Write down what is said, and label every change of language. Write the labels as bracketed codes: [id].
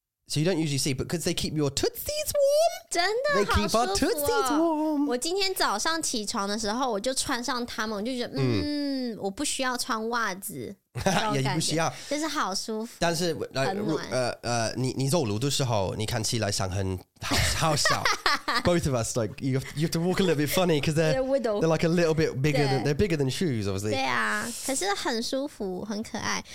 [en] So you don't usually see, but because they keep your tootsies warm. [zh] 真的 [en] They keep our tootsies warm. [zh] 我今天早上起床的时候我就穿上它们我就觉得我不需要穿袜子。也不需要。就是好舒服。但是你走路的时候你看起来像很好小。 [en] Both of us, like, you have to walk a little bit funny because they're like a little bit bigger than, they're bigger than shoes, obviously. [zh] 对啊可是很舒服很可爱。